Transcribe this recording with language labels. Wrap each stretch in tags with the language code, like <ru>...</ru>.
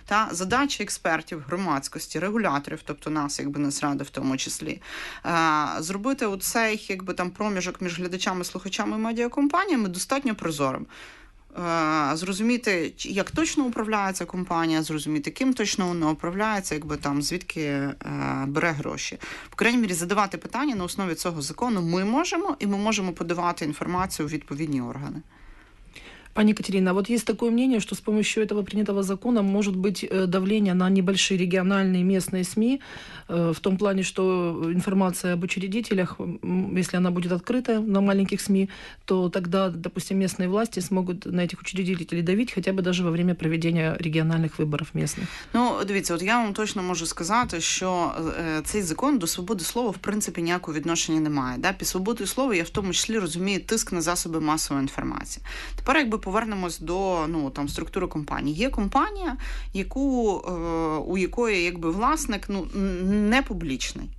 <uk>Задача експертів, громадськості, регуляторів, нас, Нацради в тому числі, зробити оцей проміжок між глядачами, слухачами і медіакомпаніями достатньо прозорим. Зрозуміти, як точно управляється компанія, зрозуміти, ким точно вона управляється, звідки бере гроші. По крайній мірі, задавати питання на основі цього закону ми можемо, і ми можемо подавати інформацію у відповідні органи.</uk> <ru>Пані Катерина, вот есть такое мнение, что с помощью этого принятого закона может быть давление на небольшие региональные местные СМИ, в том плане, что информация об учредителях, если она будет открыта на маленьких СМИ, то тогда, допустим, местные власти смогут на этих учредителей давить хотя бы даже во время проведения региональных выборов местных.</ru> <uk>Ну, дивіться, от я вам точно можу сказати, що цей закон до свободи слова в принципі ніякого відношення не має. Да? Під свободою слова я в тому числі розумію тиск на засоби масової інформації. Тепер, якби повернемось до там структури компанії. Є компанія, яку у якої якби власник не публічний.</uk>